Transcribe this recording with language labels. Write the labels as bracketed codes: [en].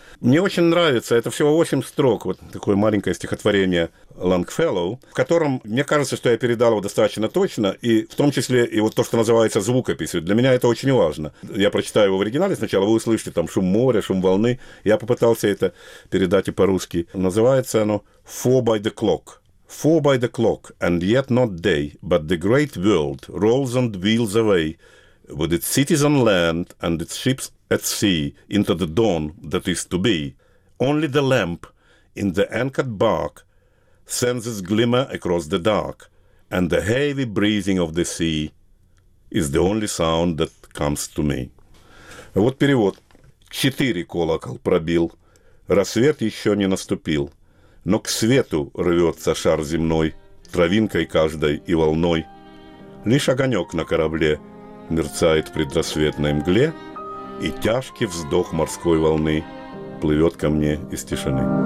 [ru] Мне очень нравится, это всего 8 строк, вот такое маленькое стихотворение Лонгфеллоу, в котором, мне кажется, что я передал его достаточно точно, и в том числе и вот то, что называется звукопись. Для меня это очень важно. Я прочитаю его в оригинале сначала, вы услышите там шум моря, шум волны. Я попытался это передать и по-русски. Называется оно «Four by the clock». [en] Four by the clock, and yet not day, but the great world rolls and wheels away, with its cities on land and its ships at sea, into the dawn that is to be. Only the lamp in the anchored bark sends its glimmer across the dark, and the heavy breathing of the sea is the only sound that comes to me. [ru] Вот перевод. Четыре колокол пробил, рассвет еще не наступил. Но к свету рвется шар земной, травинкой каждой и волной. Лишь огонек на корабле мерцает в предрассветной мгле, и тяжкий вздох морской волны плывет ко мне из тишины.